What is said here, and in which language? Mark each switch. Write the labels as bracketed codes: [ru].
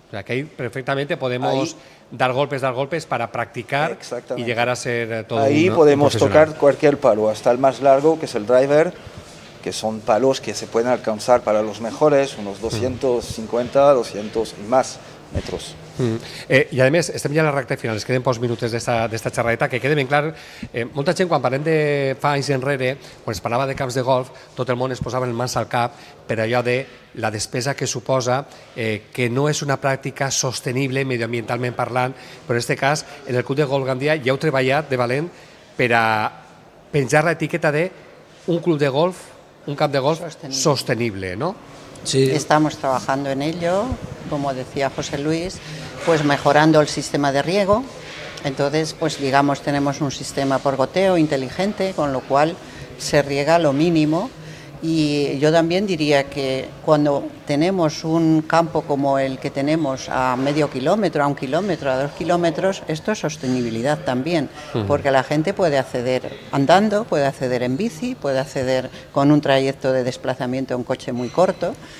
[es] O sea, que ahí perfectamente podemos dar golpes para practicar y llegar a ser todo ahí un ahí podemos tocar cualquier palo, hasta el más largo, que es el driver, que son palos que se pueden alcanzar para los mejores, unos 250, 200 y más metros. [ca] I a més, estem ja a la recta final, es queden pocs minuts d'esta xerradeta, que quede ben clar, molta gent quan parlem de fa anys enrere, quan es parlava de camps de golf, tot el món es posava en mans al cap per allò de la despesa que suposa, que no és una pràctica sostenible mediambientalment parlant, però en aquest cas, en el club de golf Gandia ja heu treballat de valent per a penjar l'etiqueta d'un club de golf, un camp de golf sostenible, no? [es] Sí. Estamos trabajando en ello, como decía José Luis, pues mejorando el sistema de riego. Entonces, pues digamos, tenemos un sistema por goteo inteligente, con lo cual se riega lo mínimo. Y yo también diría que cuando tenemos un campo como el que tenemos a medio kilómetro, a un kilómetro, a dos kilómetros, esto es sostenibilidad también, porque la gente puede acceder andando, puede acceder en bici, puede acceder con un trayecto de desplazamiento en coche muy corto.